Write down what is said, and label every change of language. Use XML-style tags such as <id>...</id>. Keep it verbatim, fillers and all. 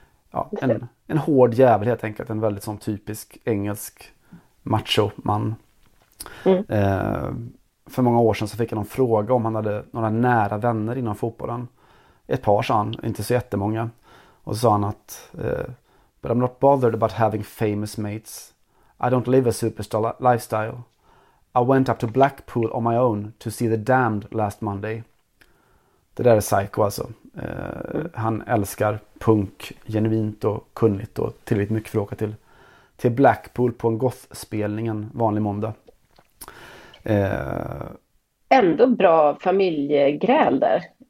<sv>Ja, en, en hård jävel helt enkelt, en väldigt sån typisk engelsk macho-man. Mm. Eh, för många år sedan så fick jag någon fråga om han hade några nära vänner inom fotbollen. Ett par, sa han, inte så jättemånga. Och så sa han att eh,</sv> <en>But I'm not bothered about having famous mates. I don't live a superstar lifestyle. I went up to Blackpool on my own to see the Damned last Monday.</en> <sv>Det där är psycho alltså. Eh, mm. Han älskar punk genuint och kunnigt och tillräckligt mycket för att åka till, till Blackpool på en gothspelning en vanlig måndag. Eh, Ändå bra familjegräl där.</sv>